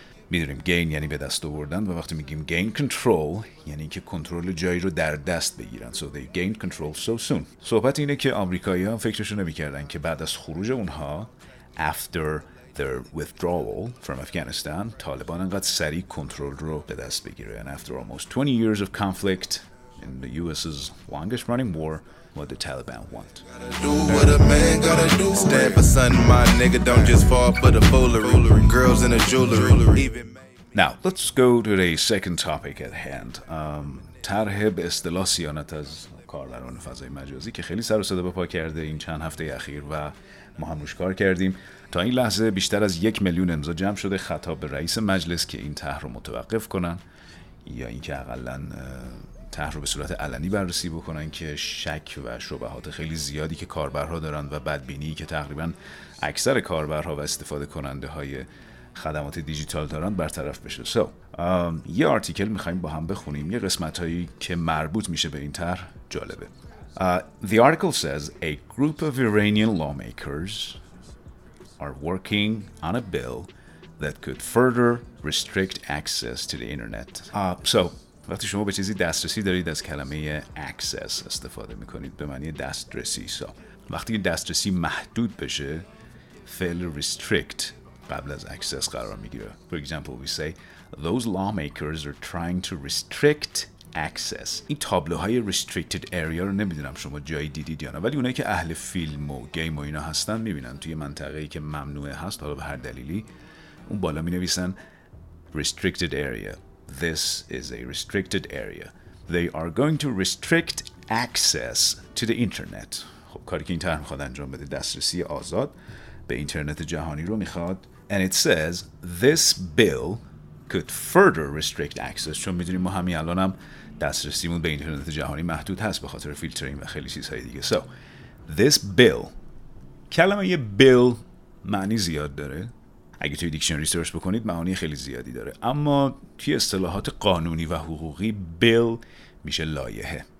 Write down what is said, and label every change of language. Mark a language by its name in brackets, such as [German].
[Persian] میدونیم gain یعنی به دست آوردن و وقتی میگیم [English] gain control [Persian] یعنی که کنترل جایی رو در دست بگیرن. [English] So they gained control so soon. [Persian] صحبت اینه که آمریکایی‌ها فکرشون نمی‌کردن که بعد از خروج اونها [English] after their withdrawal from Afghanistan [Persian] طالبان انقدر سریع کنترل رو به دست بگیره. [English] And after almost 20 years of conflict in the US's longest running war, what the Taliban want. Do what a man gotta do. Stand for something, my nigga. Don't just fall for the foolery. Girls in a jewelry. Now, let's go to the second topic at hand. [Persian] طرح به اصطلاح سیانت از کاربران فضای مجازی که خیلی سر و صدا به پا کرده این چند هفته اخیر و ما هم روش کار کردیم. تا این لحظه بیشتر از 1,000,000 امضا جمع شده خطاب به رئیس مجلس که این طرح رو متوقف کنن یا اینکه حداقل طرح رو به صورت علنی بررسی بکنن که شک و شبهات خیلی زیادی که کاربرها دارن و بدبینی که تقریبا اکثر کاربرها و استفاده کننده های خدمات دیجیتال دارن برطرف بشه. سو یه آرتیکل میخواییم با هم بخونیم، یه قسمت هایی که مربوط میشه به این طرح جالبه. [English] The article says a group of Iranian lawmakers are working on a bill that could further restrict access to the internet. [Persian] وقتی شما به چیزی دسترسی دارید از کلمه access استفاده میکنید به معنی دسترسی. So, وقتی دسترسی محدود بشه فعل restrict قبل از access قرار میگیره. [English] For example we say those lawmakers are trying to restrict access. [Persian] این تابلوهای [English] restricted area [Persian] رو نمیدونم شما جایی دیدید یا نه، ولی اونایی که اهل فیلم و گیم و اینا هستن میبینن توی منطقه‌ای که ممنوعه هست حالا به هر دلیلی اون بالا مینویسن restricted area. [English] This is a restricted area. They are going to restrict access to the internet. [Persian] خب کاری که این طرح میخواد انجام بده دسترسی آزاد به اینترنت جهانی رو میخواد. [English] And it says this bill could further restrict access. [Persian] چون میدونیم ما همین الان هم دسترسیمون به اینترنت جهانی محدود هست به خاطر فیلترینگ و خیلی چیزهای دیگه. [English] So this bill. [Persian] کلمه یه bill معنی زیاد داره. اگه توی دیکشنری سرچ بکنید معانی خیلی زیادی داره اما توی اصطلاحات قانونی و حقوقی بیل میشه لایحه.